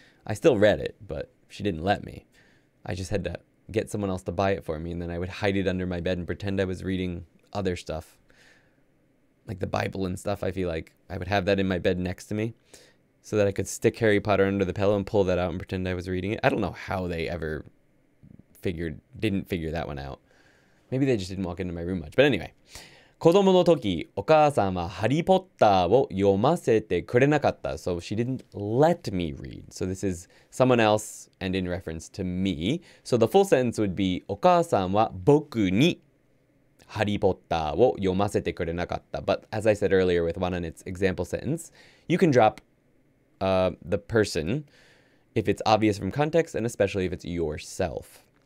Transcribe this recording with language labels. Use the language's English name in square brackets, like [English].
[English] I still read it, but she didn't let me. I just had to get someone else to buy it for me, and then I would hide it under my bed and pretend I was reading other stuff. Like the Bible and stuff, I feel like. I would have that in my bed next to me so that I could stick Harry Potter under the pillow and pull that out and pretend I was reading it. I don't know how they ever didn't figure that one out. Maybe they just didn't walk into my room much. But anyway. [Japanese] 子供の時、お母さんはハリーポッターを読ませてくれなかった. [English] So she didn't let me read. So this is someone else and in reference to me. So the full sentence would be [Japanese] お母さんは僕にハリーポッターを読ませてくれなかった. [English] But as I said earlier with one in its example sentence, you can drop the person if it's obvious from context and especially if it's yourself.